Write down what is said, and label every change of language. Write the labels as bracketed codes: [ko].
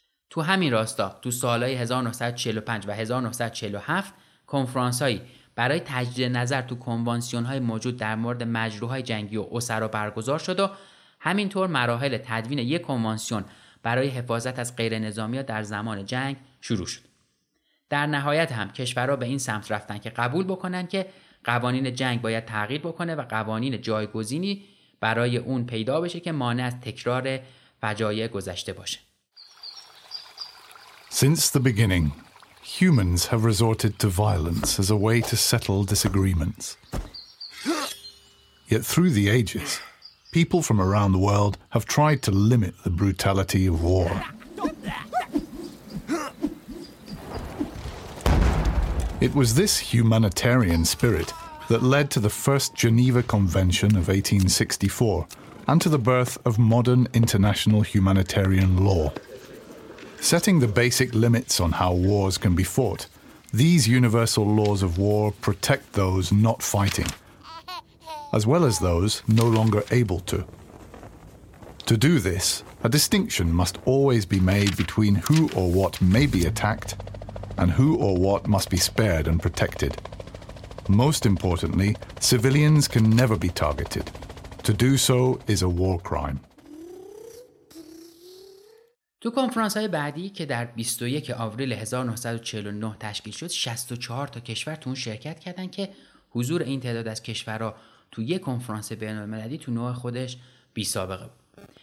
[fa] تو همین راستا تو سالهای 1945 و 1947 کنفرانس‌هایی برای تجدید نظر تو کنوانسیون‌های موجود در مورد مجروح‌های جنگی و اسرا برگزار شد و همینطور مراحل تدوین یک کنوانسیون برای حفاظت از غیرنظامی‌ها در زمان جنگ شروع شد. در نهایت هم کشورها به این سمت رفتن که قبول بکنن که قوانین جنگ باید تغییر بکنه و قوانین جایگزینی برای اون پیدا بشه که مانع از تکرار فجایع گذشته باشه. [en] Since the beginning, humans have resorted to violence as a way to settle disagreements. Yet through the ages, people from around the world have tried to limit the brutality of war. It was this humanitarian spirit that led to the first Geneva Convention of 1864 and to the birth of modern international humanitarian law. Setting the basic limits on how wars can be fought, these universal laws of war protect those not fighting, as well as those no longer able to. To do this, a distinction must always be made between who or what may be attacked and who or what must be spared and protected. Most importantly, civilians can never be targeted. To do so is a war crime. [fa] تو کنفرانس‌های بعدی که در 21 آوریل 1949 تشکیل شد، 64 تا کشور تو اون شرکت کردن که حضور این تعداد از کشورها تو یک کنفرانس بین‌المللی تو نوع خودش بی‌سابقه بود.